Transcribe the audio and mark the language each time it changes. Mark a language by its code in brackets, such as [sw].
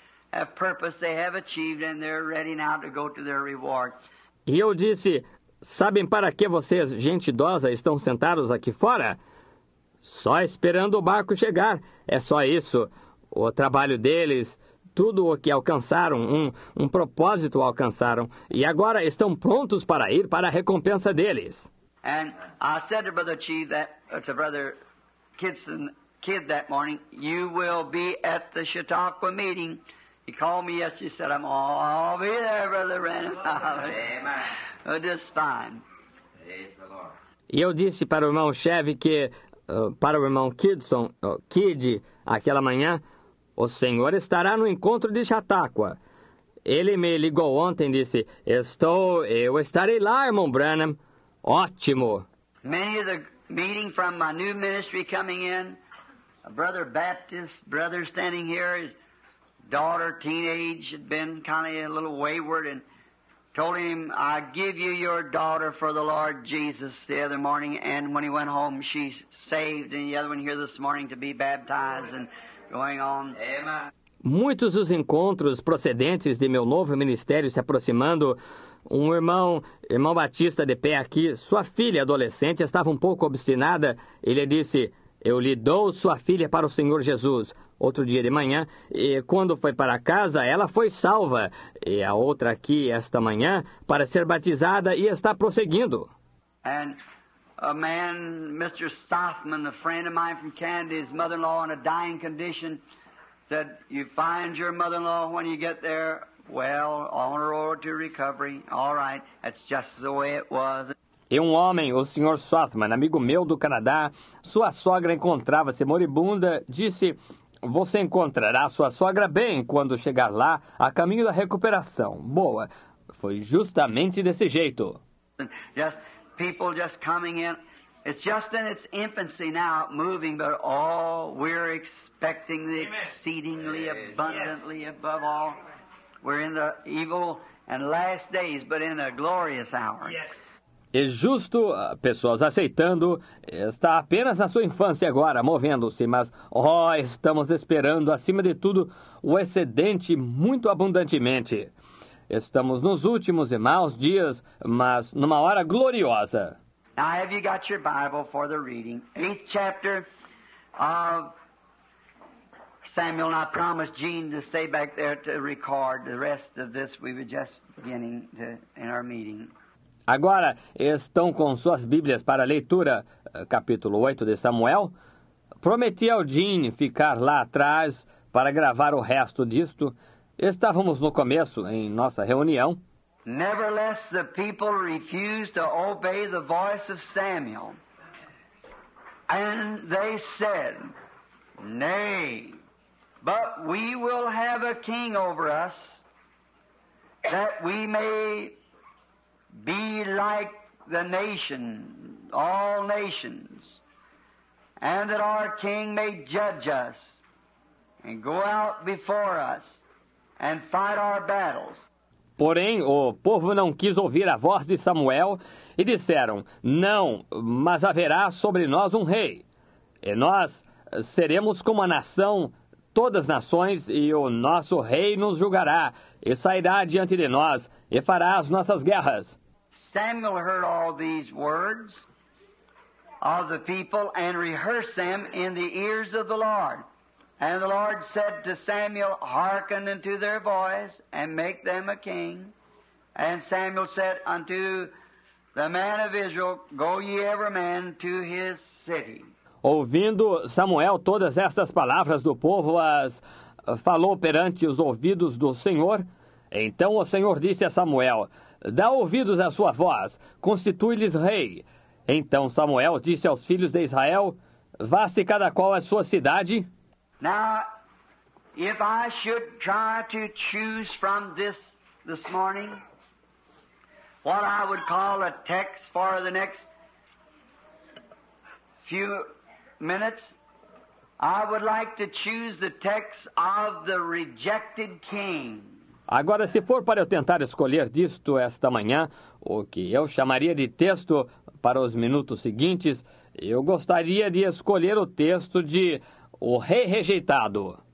[en] A purpose they have achieved and they're ready now to go to their reward. [pt] E eu disse, sabem para que vocês, gente idosa, estão sentados aqui fora? Só esperando o barco chegar. É só isso. O trabalho deles, tudo o que alcançaram, um propósito alcançaram. E agora estão prontos para ir para a recompensa deles. [en] And I said to Brother Chief that, to Brother Kidson, Kid that morning, you will be at the Chautauqua meeting. He called me yesterday and said, I'll be there, Brother Renan. Amen. Just fine. [pt] E eu disse para o irmão Chevy que, para o irmão Kidson, Kid, aquela manhã, o senhor estará no encontro de Chautauqua. Ele me ligou ontem e disse, eu estarei lá, irmão Branham. Ótimo. [en] Many of the meeting from my new ministry coming in, a brother Baptist, brother standing here is... Daughter, teenage, had been kind of a little wayward, and told him, I give you your daughter for the Lord Jesus the other morning, and when he went home, she's saved, and the other one here this morning to be baptized, and going on. Amen. [pt] Muitos dos encontros procedentes de meu novo ministério se aproximando, um irmão Batista de pé aqui, sua filha adolescente estava um pouco obstinada, ele disse, eu lhe dou sua filha para o Senhor Jesus. Outro dia de manhã, e quando foi para casa, ela foi salva. E a outra aqui, esta manhã, para ser batizada e está prosseguindo. [en] And a man, Mr. Southman, a friend of mine from Canada, his mother-in-law in a dying condition, said, you find your mother-in-law when you get there, well, on her road to recovery, all right, that's just the way it was. [pt] E um homem, o Sr. Southman, amigo meu do Canadá, sua sogra encontrava-se moribunda, disse, você encontrará sua sogra bem quando chegar lá, a caminho da recuperação. Boa. Foi justamente desse jeito. [en] Just people just coming in. It's just in its infancy now, moving, but all we're expecting the exceedingly abundantly above all. We're in the evil and last days, but in a glorious hour. Yes. [pt] E justo, pessoas aceitando, está apenas na sua infância agora, movendo-se, mas, estamos esperando, acima de tudo, o excedente muito abundantemente. Estamos nos últimos e maus dias, mas numa hora gloriosa. [en] Now, have you got your Bible for the reading? 8th chapter of Samuel, and I promised Jean to stay back there to record the rest of this. We were just beginning to, in our meeting. [pt] Agora, estão com suas Bíblias para leitura, capítulo 8 de Samuel. Prometi ao Jean ficar lá atrás para gravar o resto disto. Estávamos no começo, em nossa reunião. [en] Nevertheless, the people refused to obey the voice of Samuel. And they said, Nay, but we will have a king over us, that we may be like the nation, all nations, and that our king may judge us and go out before us and fight our battles. [pt] Porém, o povo não quis ouvir a voz de Samuel e disseram, não, mas haverá sobre nós um rei. E nós seremos como a nação, todas nações, e o nosso rei nos julgará e sairá diante de nós e fará as nossas guerras. [en] Samuel heard all these words of the people and rehearsed them in the ears of the Lord. And the Lord said to Samuel, hearken unto their voice, and make them a king. And Samuel said unto the man of Israel, go ye every man to his city. [pt] Ouvindo Samuel todas estas palavras do povo, as falou perante os ouvidos do Senhor. Então o Senhor disse a Samuel, dá ouvidos à sua voz, constitui-lhes rei. Então Samuel disse aos filhos de Israel, vá-se cada qual à sua cidade. [en] Now, if I should try to choose from this morning, what I would call a text for the next few minutes, I would like to choose the text of the rejected king. [pt] Agora, se for para eu tentar escolher disto esta manhã, o que eu chamaria de texto para os minutos seguintes, eu gostaria de escolher o texto de o rei rejeitado.